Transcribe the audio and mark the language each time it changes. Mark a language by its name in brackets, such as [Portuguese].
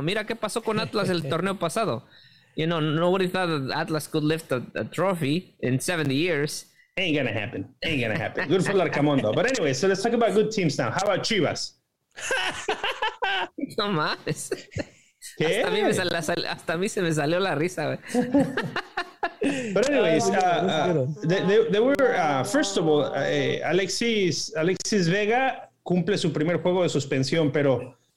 [Spanish] Mira qué pasó con Atlas el torneo pasado. [English] You know, nobody thought that Atlas could lift a trophy in 70 years. Ain't gonna happen. Ain't gonna happen. Good for Larcamón, though. But anyway, so let's talk about good teams now. How about Chivas? [Spanish] No más. ¿Qué? Hasta a mí se me salió la risa. [English] But anyways, first of all, Alexis Vega [Spanish] cumple su primer juego de suspensión, pero...